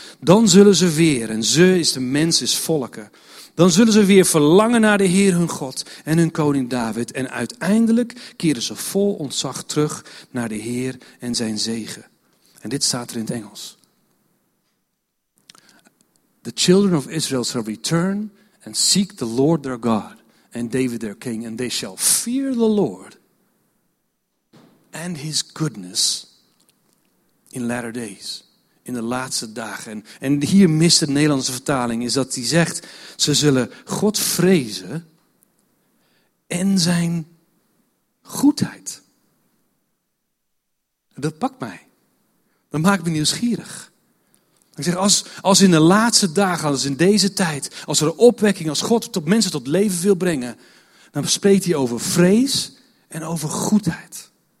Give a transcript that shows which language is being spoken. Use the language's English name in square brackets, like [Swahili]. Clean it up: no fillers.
[Dutch] Dan zullen ze weer, en ze is de mens, is volken. Dan zullen ze weer verlangen naar de Heer hun God en hun koning David. En uiteindelijk keren ze vol ontzag terug naar de Heer en zijn zegen. En dit staat er in het Engels. [English] The children of Israel shall return and seek the Lord their God and David their king. And they shall fear the Lord and his goodness in latter days, [Dutch] in de laatste dagen. En hier mist de Nederlandse vertaling, is dat hij zegt, ze zullen God vrezen en zijn goedheid. Dat pakt mij. Dat maakt me nieuwsgierig. Ik zeg, als in de laatste dagen, als in deze tijd, als er een opwekking, als God tot mensen tot leven wil brengen, dan spreekt hij over vrees en over goedheid.